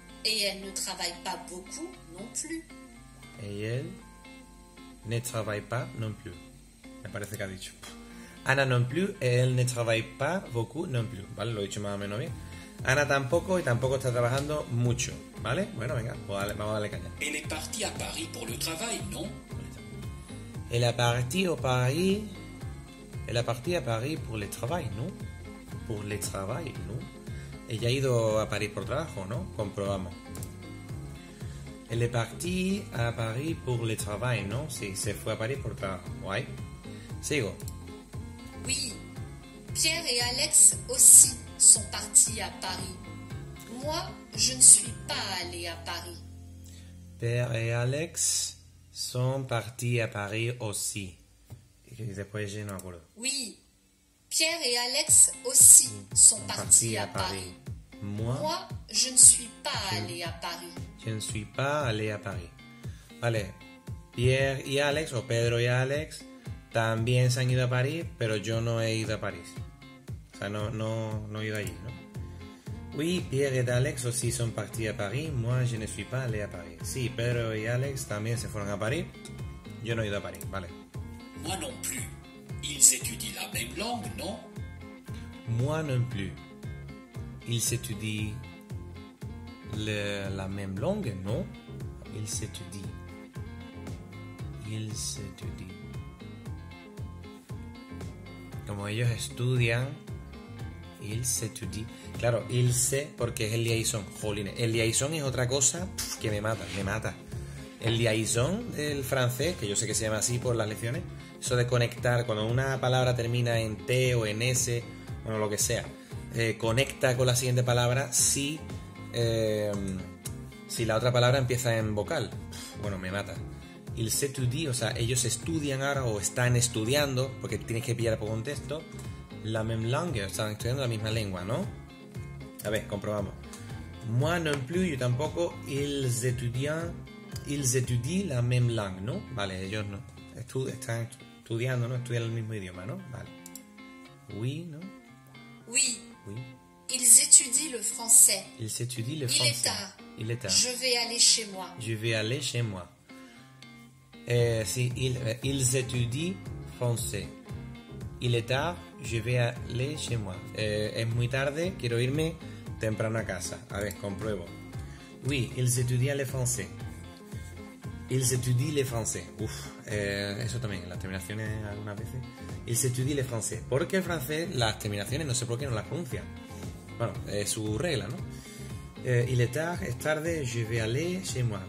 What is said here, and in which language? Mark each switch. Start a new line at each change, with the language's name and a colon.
Spanish: Y él no trabaja
French: pas beaucoup non plus.
Spanish: Y él
French: ne travaille pas non plus.
Spanish: Me parece que ha dicho.
French: Ana no plus, él ne travaille pas beaucoup non plus.
Spanish: Vale, lo he dicho más o menos bien. Ana tampoco y tampoco está trabajando mucho. Vale, bueno, venga, pues vamos a darle caña.
French: Él est parti a París pour le travail, ¿no? Él a parti a París. Él a parti a París pour le travail, ¿no? Pour le travail, ¿no?
Spanish: Ella ha ido a París por trabajo, ¿no? Comprobamos.
French: Elle est partie à Paris pour le travail, ¿no?
Spanish: Sí, se fue a París por trabajo. Guay. Sigo.
French: Oui. Pierre et Alex aussi sont partis à Paris. Moi, je ne suis pas allé à Paris. Pierre et Alex sont partis à Paris aussi.
Spanish: Y después je no acuerdo.
French: Oui. Pierre et Alex aussi sont partis à Paris. Moi, je ne suis pas allé à Paris. Je ne suis pas allé à Paris.
Spanish: Vale. Pierre y Alex, o Pedro y Alex, también se han ido a París, pero yo no he ido a París. O sea, no he ido allí, ¿no?
French: Oui, Pierre et Alex aussi sont partis à Paris. Moi, je ne suis pas allé à Paris.
Spanish: Sí, Pedro y Alex también se fueron a París. Yo no he ido a París, vale.
French: Moi non plus. Ils étudient la même langue, non? Moi non plus. ils étudient la même langue, non? Ils étudient.
Spanish: Como ellos estudian,
French: ils étudient.
Spanish: Claro, ils, porque es el liaison. Jolines, el liaison es otra cosa que me mata. El liaison del francés, que yo sé que se llama así por las lecciones, eso de conectar, cuando una palabra termina en T o en S, bueno, lo que sea, conecta con la siguiente palabra si la otra palabra empieza en vocal. Bueno, me mata.
French: Ils étudient,
Spanish: o sea, ellos estudian ahora o están estudiando, porque tienes que pillar por contexto,
French: la même langue,
Spanish: están estudiando la misma lengua, ¿no? A ver, comprobamos.
French: Moi non plus,
Spanish: yo tampoco,
French: ils étudient la même langue, ¿no?
Spanish: Vale, ellos no. Están estudiando, ¿no? Estudian el mismo idioma, ¿no? Vale. Oui, ¿no?
French: Oui. Oui. Ils étudient le français. Ils étudient le français. Il est tard. Je vais aller chez moi. Sí, ils étudient français. Il est tard, je vais aller chez moi.
Spanish: Es muy tarde, quiero irme temprano a casa. A ver, compruebo.
French: Oui, ils étudient le français. Ils étudient le français.
Spanish: Uf, eso también, las terminaciones algunas veces.
French: Ils étudient le français.
Spanish: Porque el francés, las terminaciones, no sé por qué no las pronuncian. Bueno, es su regla, ¿no?
French: Il est tard,
Spanish: es tarde,
French: je vais aller chez moi.